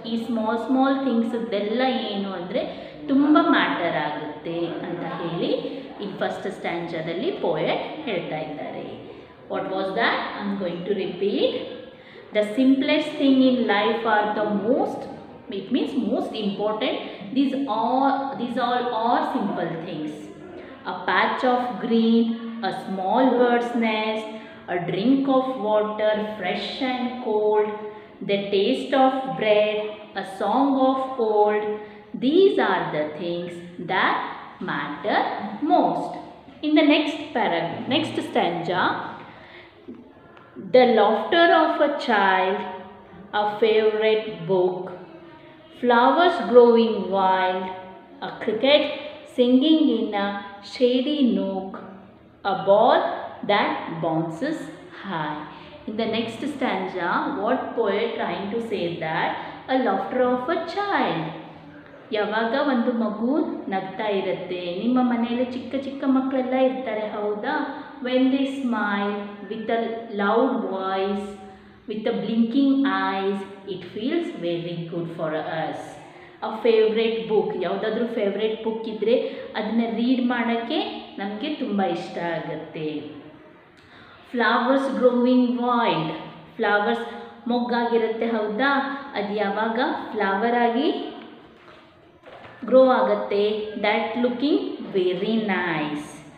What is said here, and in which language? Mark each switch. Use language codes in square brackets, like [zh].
[kn] ಈ small small ಥಿಂಗ್ಸದ್ದೆಲ್ಲ ಏನು ಅಂದರೆ ತುಂಬ ಮ್ಯಾಟರ್ ಆಗುತ್ತೆ ಅಂತ ಹೇಳಿ ಈ ಫಸ್ಟ್ ಸ್ಟ್ಯಾಂಜದಲ್ಲಿ ಪೋಯೆಟ್ ಹೇಳ್ತಾ ಇದ್ದಾರೆ. [en] What was that? I am going to repeat. The simplest thing in life are the most, it means most important. These are simple things. A patch of green, a small bird's nest, a drink of water fresh and cold, the taste of bread, a song of old, these are the things that matter most. In the next paragraph, next stanza, the laughter of a child, a favorite book, flowers growing wild, a cricket singing in a shady nook, a ball that bounces high. In the next stanza, what poet trying to say that? A laughter of a child. [kn] ಯಾವಾಗ ಒಂದು ಮಗು ನಗ್ತಾ ಇರುತ್ತೆ, ನಿಮ್ಮ ಮನೆಯಲ್ಲಿ ಚಿಕ್ಕ ಚಿಕ್ಕ ಮಕ್ಕಳೆಲ್ಲ ಇರ್ತಾರೆ, ಹೌದಾ? [en] When they smile with a loud voice, With the blinking eyes, it feels very good for us. [kn] A favorite book, ಯಾವುದಾದ್ರೂ ಫೇವ್ರೇಟ್ ಬುಕ್ ಇದ್ದರೆ ಅದನ್ನ ರೀಡ್ ಮಾಡೋಕ್ಕೆ ನಮಗೆ ತುಂಬ ಇಷ್ಟ ಆಗುತ್ತೆ. [en] flowers growing wild, [kn] ಫ್ಲವರ್ಸ್ ಮೊಗ್ಗಾಗಿರುತ್ತೆ ಹೌದಾ, ಅದು ಯಾವಾಗ ಫ್ಲವರಾಗಿ ಗ್ರೋ ಆಗುತ್ತೆ, [en] That looking very nice.